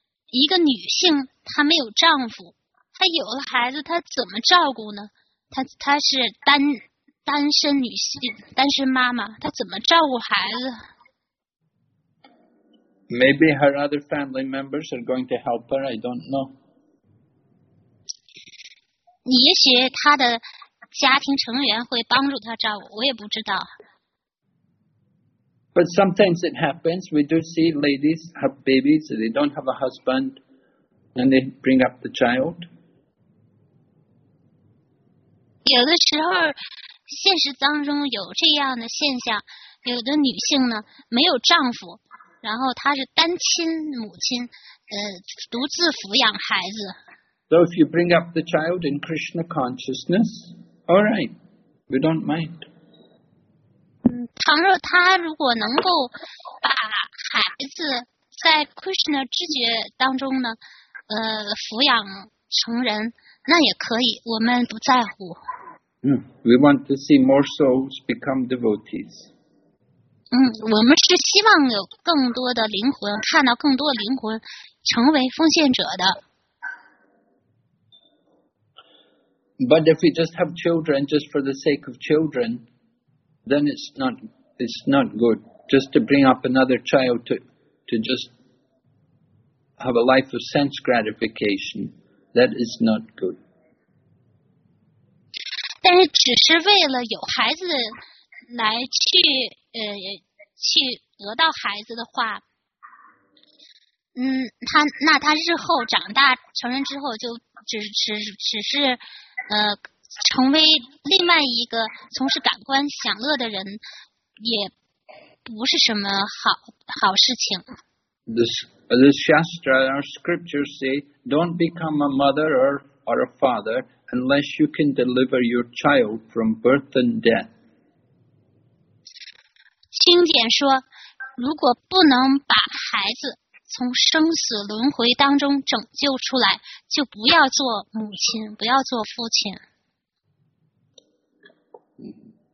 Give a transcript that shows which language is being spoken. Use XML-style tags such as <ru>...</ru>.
<zh>一个女性，她没有丈夫，她有了孩子，她怎么照顾呢？她是单身女性，单身妈妈，她怎么照顾孩子？</zh> <en>Maybe her other family members are going to help her, I don't know.</en> <zh>也许她的家庭成员会帮助她照顾，我也不知道。</zh> <en>But sometimes it happens, we do see ladies have babies, they don't have a husband, and they bring up the child.</en> <zh>有的时候现实当中有这样的现象，有的女性呢没有丈夫，然后她是单亲母亲，独自抚养孩子。</zh> <en>So if you bring up the child in Krishna consciousness, all right, we don't mind.</en> <zh>倘若她如果能够把孩子在 Krishna 知觉当中呢，抚养成人，那也可以，我们不在乎。</zh> <en>We want to see more souls become devotees.</en> <zh>我们是希望有更多的灵魂，看到更多的灵魂成为奉献者的。</zh> <en>But if we just have children just for the sake of children, then it's not good. Just to bring up another child to just have a life of sense gratification, that is not good.</en> <zh>但是只是为了有孩子来去得到孩子的话，他日后长大成人之后就只是成为另外一个从事感官享乐的人，也不是什么好事情。</zh> <en>The Shastra or scriptures say, don't become a mother or a father. Unless you can deliver your child from birth and death.</en> <zh>经典说，如果不能把孩子从生死轮回当中拯救出来，就不要做母亲，不要做父亲。</zh>